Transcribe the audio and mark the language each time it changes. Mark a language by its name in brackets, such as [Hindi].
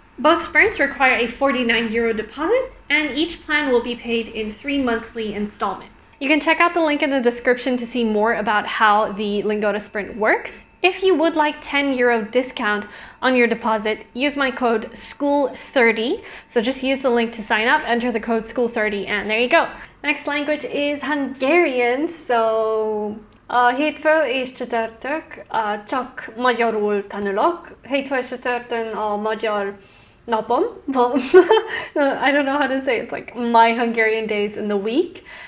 [English] Both sprints require a 49 euro deposit, and each plan will be paid in 3 monthly installments. You can check out the link in the description to see more about how the Lingoda sprint works. If you would like 10 euro discount on your deposit, use my code SCHOOL30. So just use the link to sign up, enter the code SCHOOL30, and there you go. Next language is Hungarian. [Hungarian] So, hétfő és csütörtök, csak magyarul tanulok. Hétfő és csütörtön a magyar napom. [English] Well, I don't know how to say it. It's like my Hungarian days in the week.